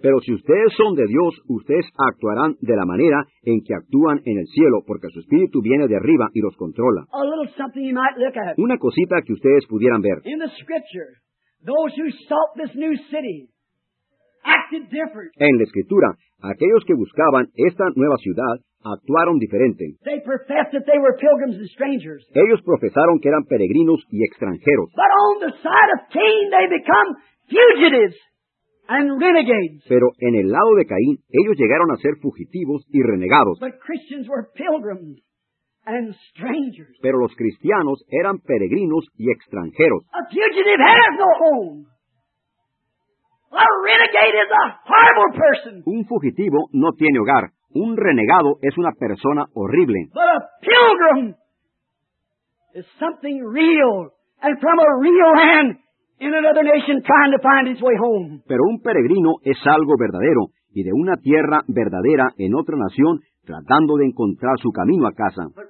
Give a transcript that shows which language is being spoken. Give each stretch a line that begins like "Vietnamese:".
Spanish: Pero si ustedes son de Dios, ustedes actuarán de la manera en que actúan en el cielo, porque su espíritu viene de arriba y los controla.
English: A little something you might look at.
Spanish: Una cosita que ustedes pudieran ver.
English: In the scripture, those who sought this new city acted different.
Spanish: En la escritura, aquellos que buscaban esta nueva ciudad actuaron diferente.
English: They professed that they were pilgrims and strangers.
Spanish: Ellos profesaron que eran peregrinos y extranjeros.
English: But on the side of Cain, they become fugitives and renegades.
Spanish: Pero en el lado de Caín, ellos llegaron a ser fugitivos y renegados.
English: But Christians were pilgrims and strangers.
Spanish: Pero los cristianos eran peregrinos y extranjeros.
English: A fugitive has no home. A renegade is a horrible person.
Spanish: Un fugitivo no tiene hogar. Un renegado es una persona horrible.
English: But a pilgrim is something real, and from a real land in another nation trying to find his way home.
Spanish: Pero un peregrino es algo verdadero, y de una tierra verdadera en otra nación, tratando de encontrar su camino a casa.